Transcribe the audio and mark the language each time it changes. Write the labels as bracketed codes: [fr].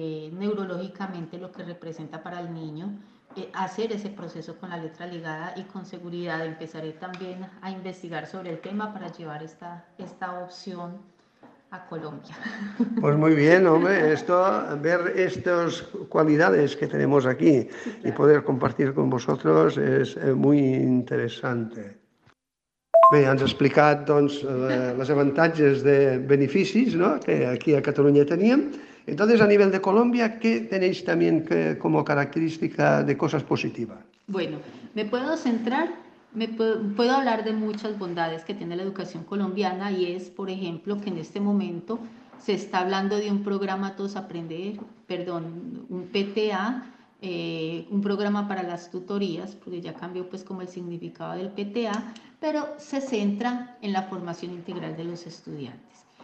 [es] Neurológicamente lo que representa para el niño hacer ese proceso con la letra ligada y con seguridad empezaré también a investigar sobre el tema para llevar esta opción a Colombia. Pues muy bien, hombre, ver estas cualidades que tenemos aquí, sí, claro, y poder compartir con vosotros es muy interesante. [ca] Bé, ens ha explicat doncs les avantatges de beneficis, no?, que aquí a Catalunya teníem. Entonces, a nivell de Colòmbia, què teneu també com a característica de coses positives? [es] Bueno, me puedo centrar. Puedo hablar de muchas bondades que tiene la educación colombiana y es, por ejemplo, que en este momento se está hablando de un programa Todos Aprender, perdón, un PTA, un programa para las tutorías, porque ya cambió pues como el significado del PTA, pero se centra en la formación integral de los estudiantes.